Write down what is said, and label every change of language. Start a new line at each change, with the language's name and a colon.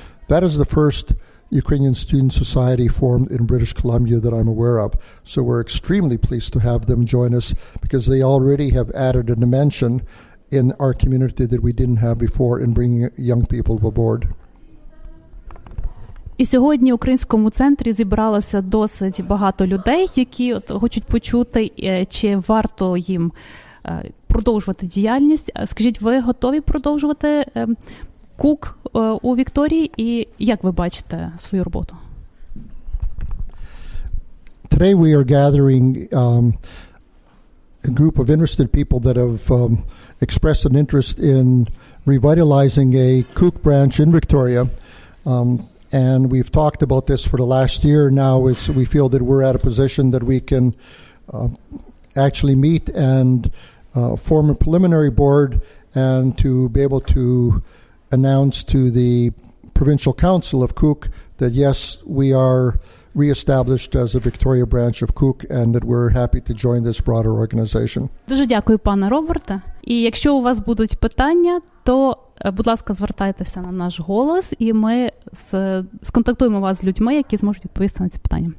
English: That is the first Ukrainian Student Society formed in British Columbia that I'm aware of. So we're extremely pleased to have them join us, because they already have added a dimension in our community that we didn't have before in bringing young people aboard.
Ukrainian: І сьогодні в українському центрі зібралося досить багато людей, які от хочуть почути, чи варто їм продовжувати діяльність. Скажіть, ви готові продовжувати КУК у Вікторії? І як ви бачите свою роботу?
English: Today we are gathering a group of interested people that have expressed an interest in revitalizing a КУК branch in Victoria. And we've talked about this for the last year. Now we feel that we're at a position that we can actually meet and form a preliminary board, and to be able to announce to the provincial council of KUK that, yes, we are reestablished as a Victoria branch of KUK, and that we're happy to join this broader organization.
Ukrainian: Дуже дякую, пане Роберте. І якщо у вас будуть питання, то, будь ласка, звертайтеся на наш голос, і ми сконтактуємо вас з людьми, які зможуть відповісти на ці питання.